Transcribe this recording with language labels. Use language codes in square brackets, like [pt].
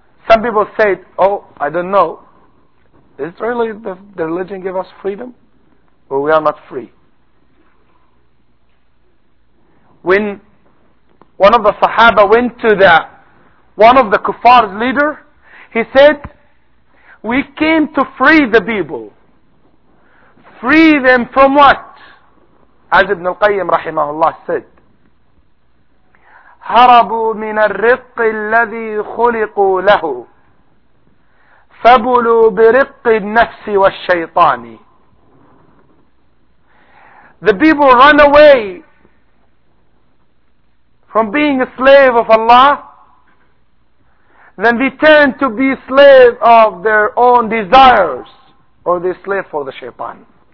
[en] Some people say, oh, I don't know. Is it really the religion give us freedom? Or we are not free? When one of the Sahaba went to one of the Kuffar's leader, he said, we came to free the people. Free them from what? As Ibn al-Qayyim rahimahullah said, [ar] هربوا من الرق الذي خلقوا له فبلوا برق النفس والشيطان. [en] The people run away from being a slave of Allah, then they turn to be slave of their own desires, or they slave for the shaitan.